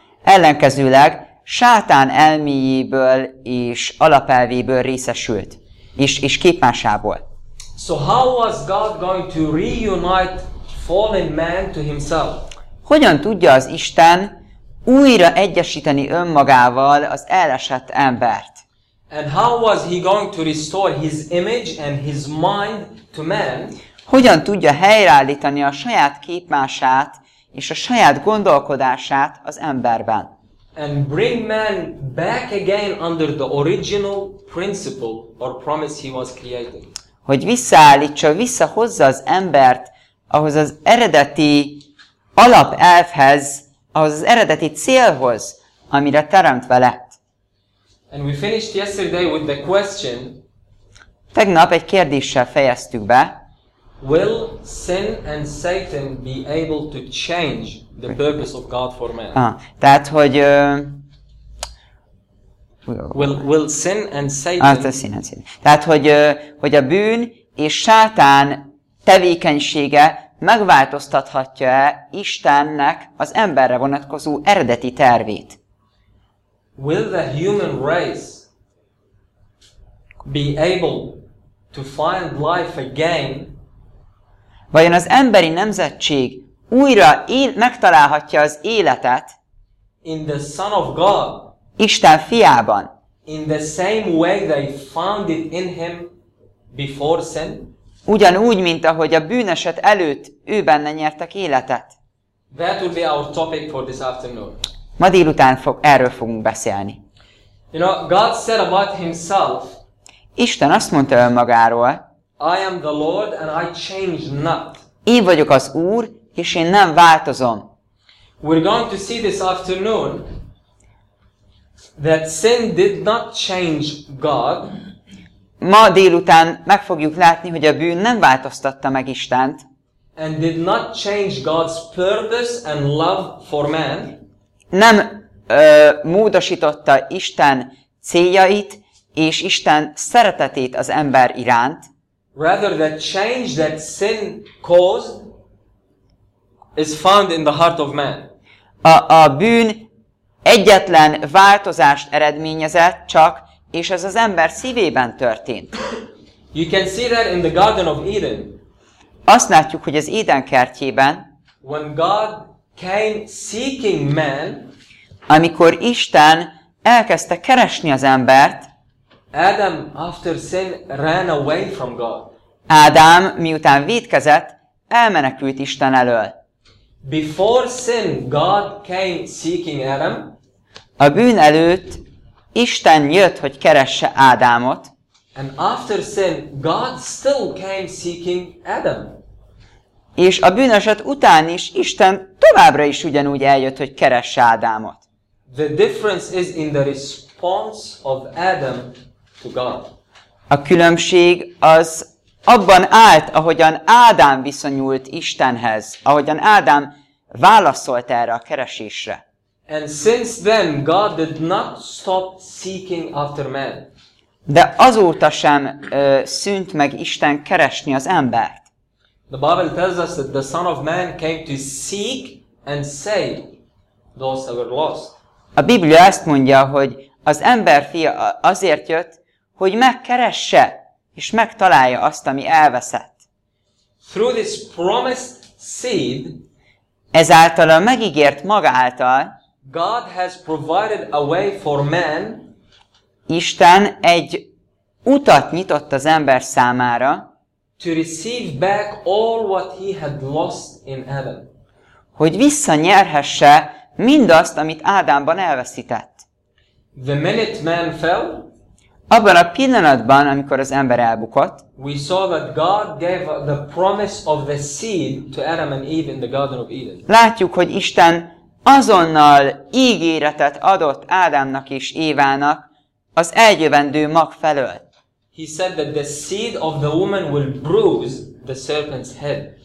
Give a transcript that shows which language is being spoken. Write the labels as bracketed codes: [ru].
[hu] Ellenkezőleg Sátán elméjéből és alapelvéből részesült, és képmásából. [en] So how was God going to reunite fallen man to himself? [hu] Hogyan tudja az Isten újra egyesíteni önmagával az elesett embert? [en] And how was he going to restore his image and his mind to man? [hu] Hogyan tudja helyreállítani a saját képmását és a saját gondolkodását az emberben? [en] And bring man back again under the original principle or promise he was created. [hu] Hogy visszaállítsa, visszahozza az embert ahhoz az eredeti alapelvhez, ahhoz az eredeti célhoz, amire teremtve lett. [en] And we finished yesterday with the question. [hu] Tegnap egy kérdéssel fejeztük be. [en] Will sin and Satan be able to change the purpose of God for man? [hu] Tehát, hogy [en] will sin and Satan. [hu] Azt a [en] sin and Satan. [hu] Tehát hogy a bűn és Sátán tevékenysége megváltoztathatja-e Istennek az emberre vonatkozó eredeti tervét? [en] Will the human race be able to find life again? [hu] Vajon az emberi nemzetség újra megtalálhatja az életet [en] in the Son of God, [hu] Isten fiában? [en] In the same way they found it in him before sin? [hu] Ugyanúgy, mint ahogy a bűneset előtt ő benne nyertek életet. [en] That will be our topic for this afternoon. [hu] Ma délután erről fogunk beszélni. [en] You know, God said about himself, [hu] Isten azt mondta önmagáról, [en] I am the Lord and I change not. [hu] Én vagyok az Úr, és én nem változom. [en] We're going to see this afternoon that sin did not change God. [hu] Ma délután meg fogjuk látni, hogy a bűn nem változtatta meg Istent. [en] And did not change God's purpose and love for man. [hu] Nem módosította Isten céljait és Isten szeretetét az ember iránt. [en] Rather the change that sin caused is found in the heart of man. [hu] A bűn egyetlen változást eredményezett csak, és ez az ember szívében történt. [en] You can see that in the Garden of Eden. [hu] Azt látjuk, hogy az Éden kertjében, [en] when God came seeking man, [hu] amikor Isten elkezdte keresni az embert, [en] Adam after sin ran away from God. [hu] Ádám miután vétkezett, elmenekült Isten elől. [en] Before sin, God came seeking Adam. [hu] A bűn előtt Isten jött, hogy keresse Ádámot. [en] And after sin, God still came seeking Adam. [hu] És a bűneset után is Isten továbbra is ugyanúgy eljött, hogy keresse Ádámot. [en] The difference is in the response of Adam to God. [hu] A különbség az abban állt, ahogyan Ádám viszonyult Istenhez, ahogyan Ádám válaszolt erre a keresésre. [en] And since then God did not stop seeking after man. [hu] De azóta sem szűnt meg Isten keresni az embert. [en] The Bible tells us that the Son of Man came to seek and save those that were lost. [hu] A Biblia ezt mondja, hogy az ember fia azért jött, hogy megkeresse és megtalálja azt, ami elveszett. [en] Through this promised seed, [hu] ezáltal a megígért maga által, [en] God has provided a way for man, [hu] Isten egy utat nyitott az ember számára, [en] to receive back all what he had lost in Adam. [hu] Hogy visszanyerhesse mindazt, amit Ádámban elveszített. [en] The minute man fell, [hu] abban a pillanatban, amikor az ember elbukott, [en] we saw that God gave the promise of the seed to Adam and Eve in the Garden of Eden. [hu] Látjuk, hogy Isten azonnal ígéretet adott Ádámnak és Évának az eljövendő mag felől. [en] He said that the seed of the woman will bruise the serpent's head.